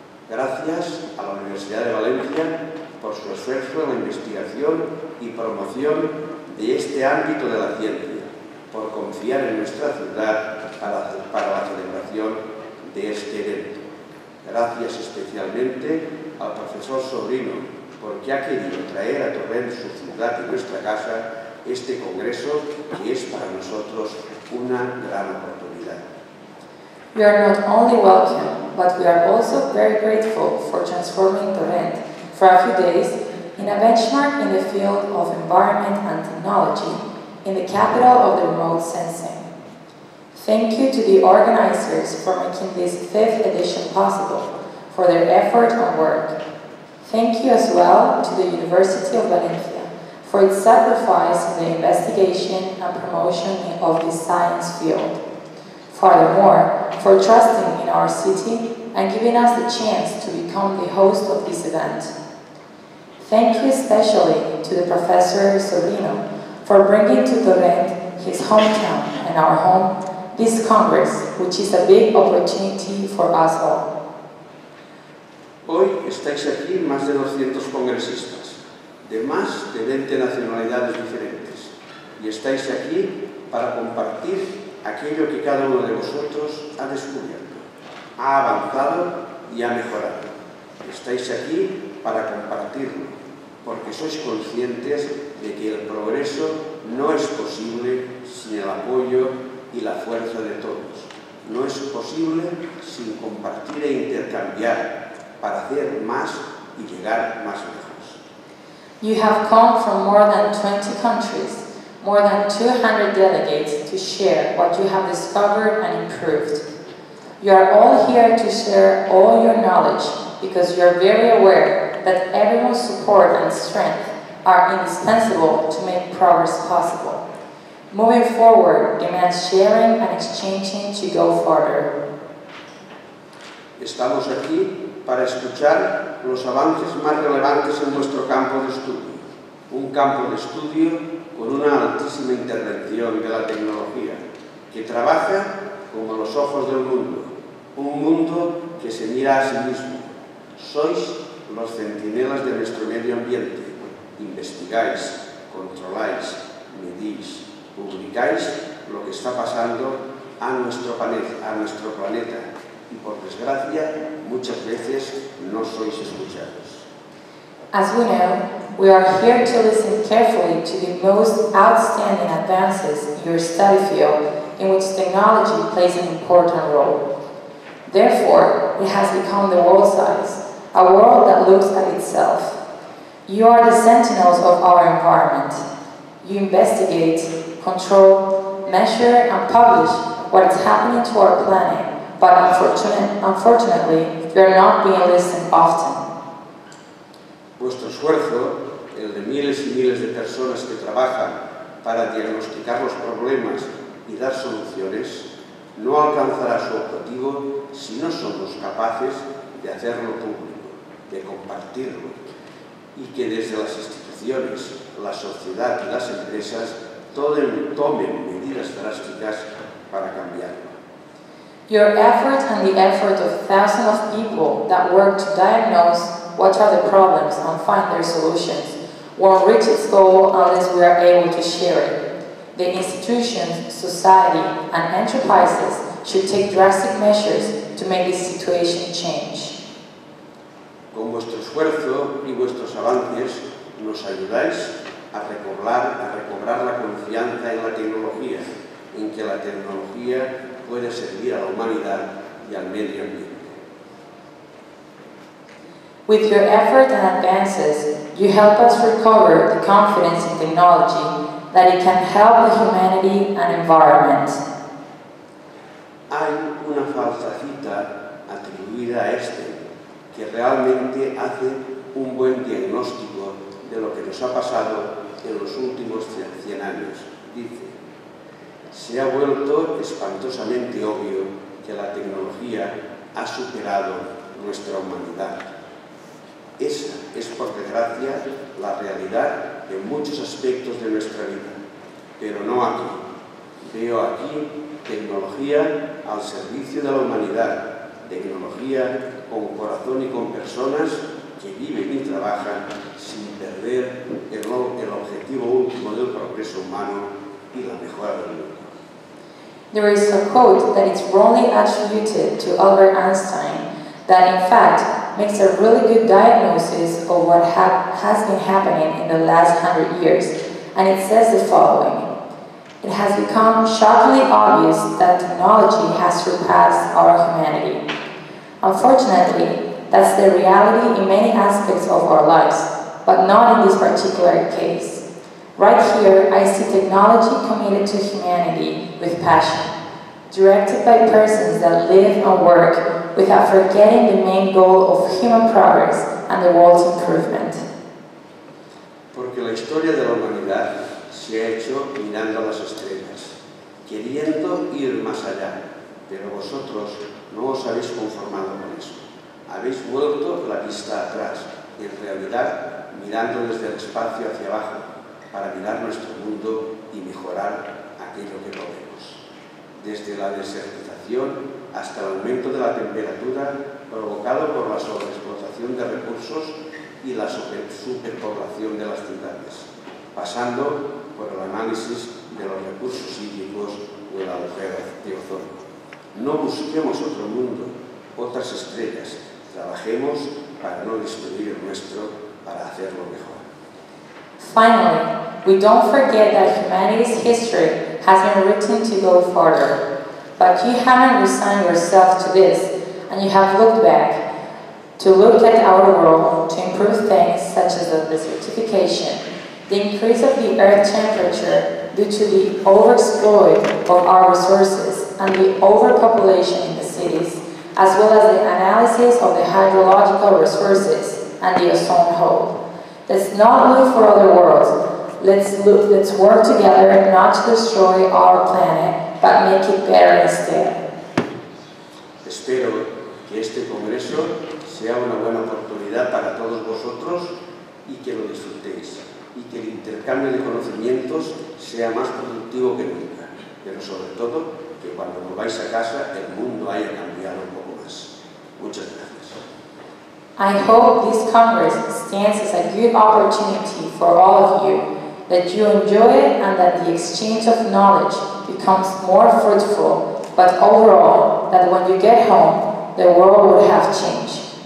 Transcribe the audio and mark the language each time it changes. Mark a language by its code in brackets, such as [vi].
[es] Gracias a la Universidad de Valencia por su esfuerzo en la investigación y promoción de este ámbito de la ciencia, por confiar en nuestra ciudad para la celebración de este evento. Gracias especialmente al profesor Sobrino, porque ha querido traer a Torrent su ciudad y nuestra casa este congreso que es para nosotros una gran oportunidad. [en] We are not only welcome, but we are also very grateful for transforming Torrent for a few days in a benchmark in the field of environment and technology in the capital of the remote sensing. Thank you to the organizers for making this fifth edition possible, for their effort and work. Thank you as well to the University of Valencia for its sacrifice in the investigation and promotion of this science field. Furthermore, for trusting in our city and giving us the chance to become the host of this event. Thank you especially to the Professor Sobrino for bringing to Torrent, his hometown and our home, this Congress, which is a big opportunity for us all. [es] Hoy estáis aquí más de 200 congresistas, de más de 20 nacionalidades diferentes, y estáis aquí para compartir aquello que cada uno de vosotros ha descubierto, ha avanzado y ha mejorado. Estáis aquí para compartirlo, porque sois conscientes de que el progreso no es posible sin el apoyo y la fuerza de todos. No es posible sin compartir e intercambiar para hacer más y llegar más lejos. [en] You have come from more than 20 countries, more than 200 delegates to share what you have discovered and improved. You are all here to share all your knowledge because you are very aware that everyone's support and strength are indispensable to make progress possible. Moving forward demands sharing and exchanging to go further. [es] Estamos aquí para escuchar los avances más relevantes en nuestro campo de estudio, un campo de estudio con una altísima intervención de la tecnología, que trabaja como los ojos del mundo, un mundo que se mira a sí mismo. Sois los centinelas de nuestro medio ambiente. Investigáis, controláis, medís, publicáis lo que está pasando a nuestro planeta. Y por desgracia, muchas veces no sois escuchados. [en] As we know, we are here to listen carefully to the most outstanding advances in your study field, in which technology plays an important role. Therefore, it has become the world size, a world that looks at itself. You are the sentinels of our environment. You investigate, control, measure, and publish what is happening to our planet. But unfortunately, you are not being listened often. [es] Vuestro esfuerzo, el de miles y miles de personas que trabajan para diagnosticar los problemas y dar soluciones, no alcanzará su objetivo si no somos capaces de hacerlo público, de compartirlo, y que desde las instituciones, la sociedad y las empresas tomen medidas drásticas para cambiarlo. [en] Your effort and the effort of thousands of people that work to diagnose what are the problems and find their solutions won't reach its goal unless we are able to share it. The institutions, society, and enterprises should take drastic measures to make this situation change. [es] Con vuestro esfuerzo y vuestros avances, nos ayudáis a recobrar la confianza en la tecnología, en que la tecnología puede servir a la humanidad y al medio ambiente. [en] With your effort and advances, you help us recover the confidence in technology that it can help the humanity and environment. [es] Hay una falsa cita atribuida a este que realmente hace un buen diagnóstico de lo que nos ha pasado en los últimos 100 años. Dice, se ha vuelto espantosamente obvio que la tecnología ha superado nuestra humanidad. Esa es, por desgracia, la realidad en muchos aspectos de nuestra vida. Pero no aquí. Veo aquí tecnología al servicio de la humanidad, tecnología con corazón y con personas que viven y trabajan sin perder el objetivo último del progreso humano y la mejora del mundo. [en] There is a quote that is wrongly attributed to Albert Einstein that in fact makes a really good diagnosis of what has been happening in the last 100 years, and it says the following. It has become shockingly obvious that technology has surpassed our humanity. Unfortunately, that's the reality in many aspects of our lives, but not in this particular case. Right here, I see technology committed to humanity with passion, directed by persons that live and work without forgetting the main goal of human progress and the world's improvement. [es] Porque la historia de la humanidad se ha hecho mirando las estrellas, queriendo ir más allá, pero vosotros no os habéis conformado con eso. Habéis vuelto la vista atrás, en realidad mirando desde el espacio hacia abajo, para mirar nuestro mundo y mejorar aquello que podemos. Desde la desertización hasta el aumento de la temperatura provocado por la sobreexplotación de recursos y la superpoblación de las ciudades, pasando por el análisis de los recursos hídricos o el agujero de ozono. No busquemos otro mundo, otras estrellas. Trabajemos para no destruir el nuestro, para hacerlo mejor. [en] Finally, we don't forget that humanity's history has been written to go farther. But you haven't resigned yourself to this, and you have looked back to look at our world to improve things such as the desertification, the increase of the Earth temperature due to the overexploit of our resources and the overpopulation in the cities, as well as the analysis of the hydrological resources and the ozone hole. Let's not look for other worlds. Let's work together not to destroy our planet, but make it better instead. [es] Espero que este congreso sea una buena oportunidad para todos vosotros y que lo disfrutéis, y que el intercambio de conocimientos sea más productivo que nunca, pero sobre todo que cuando volváis a casa el mundo haya cambiado un poco más. Muchas gracias. [en] I hope this congress stands as a good opportunity for all of you, that you enjoy it and that the exchange of knowledge becomes more fruitful, but overall, that when you get home, the world will have changed.